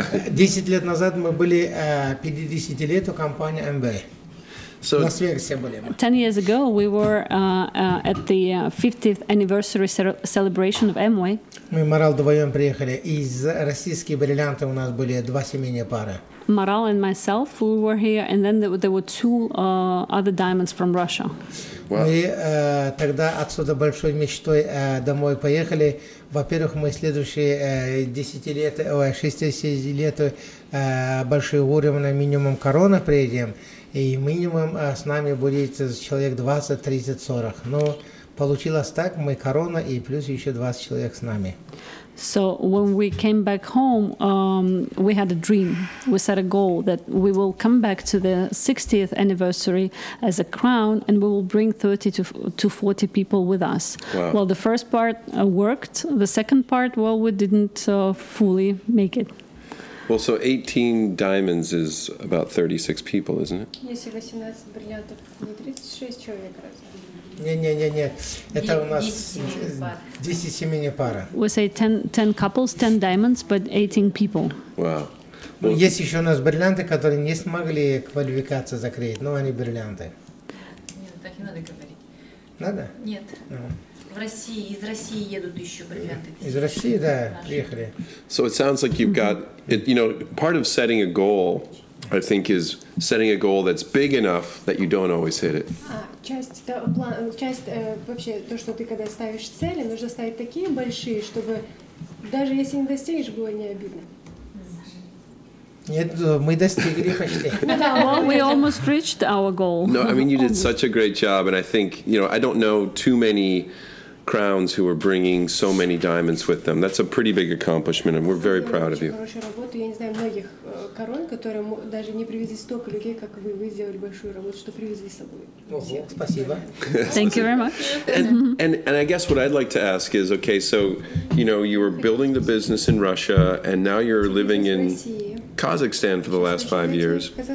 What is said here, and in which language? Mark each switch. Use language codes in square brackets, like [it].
[ru] Десять лет назад мы были 50 лет у компании MBA. [en] So, 10 years ago, we were at the 50th anniversary celebration of Amway. [ru] Мы Марал вдвоем приехали. Из российских бриллиантов у нас были два семейные пары. [en] Марал and myself, we were here, and then there were two other diamonds from Russia. Wow. [ru] Мы тогда отсюда большой мечтой домой поехали. Во-первых, мы следующие 60 лет большие уровни, минимум корона приедем. И минимум с нами будет человек 20, 30, 40. Но получилось так, мы корона и плюс еще 20 человек с нами. [en] So when we came back home, we had a dream. We set a goal that we will come back to the 60th anniversary as a crown and we will bring 30 to 40 people with us. Wow. Well, the first part worked. The second part, well, we didn't fully make it. Well, so 18 diamonds is about 36 people, isn't it? [ru] Если 18 бриллиантов, не 36 человек раз. Не-не-не-не, это у нас 10 семейные пары. [en] We say 10 couples, 10 diamonds, but 18 people. Wow. Well, [ru] есть еще у нас бриллианты, которые не смогли квалификацию закрыть, но они бриллианты. Нет, так не надо говорить. Надо? Нет. В России, из России едут еще бриллианты. Из России, да, приехали. [en] So it sounds like you've got, you know, part of setting a goal, I think, is setting a goal that's big enough that you don't always hit it. [ru] Часть, вообще, то, что ты когда ставишь цели, нужно ставить такие большие, чтобы даже если не достигнешь, было не обидно. Нет, мы достигли почти. Да, [en] we almost reached our goal. No, I mean, you did such a great job, and I think, you know, I don't know too many crowns who are bringing so many diamonds with them. That's a pretty big accomplishment, and we're very proud of you. [ru] Хорошая работа. Я не знаю многих корон, которые даже не привезли столько людей, как вы сделали большую работу, что привезли с собой. Спасибо. [en] Thank you very much. And I guess what I'd like to ask is, okay, so, you know, you were building the business in Russia, and now you're living in Kazakhstan for the last 5 years.